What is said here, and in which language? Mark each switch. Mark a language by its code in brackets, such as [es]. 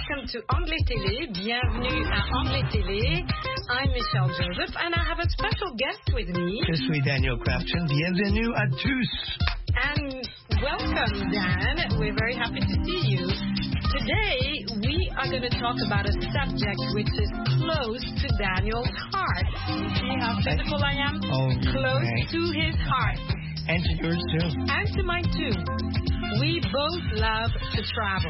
[fr] To Anglais Télé, bienvenue à Anglais Télé. [en] I'm Michelle Joseph, and I have a special guest with me. [fr] Je suis Daniel Crafton, bienvenue à tous. [en] And welcome, Dan. We're very happy to see you. Today, we are going to talk about a subject which is close to Daniel's heart. See how physical I am? Oh, close okay. To his heart. And to yours, too. And to mine, too. We both love to travel.